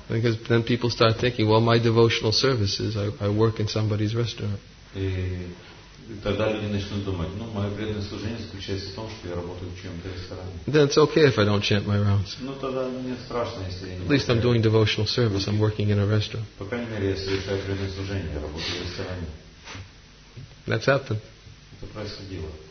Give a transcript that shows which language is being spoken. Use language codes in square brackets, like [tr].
[en] Because then people start thinking, well, my devotional services, I work in somebody's restaurant. [ru] И тогда люди начнут думать, ну, мое преданное служение заключается в том, что я работаю в чьем-то ресторане. [en] Then it's okay if I don't chant my rounds. [ru] Ну, тогда мне страшно, если я не... [en] At least I'm doing devotional service, I'm working in a restaurant. [ru] По крайней мере, я совершаю преданное служение, я работаю в ресторане. [en] That's happened. [ru] Это происходило.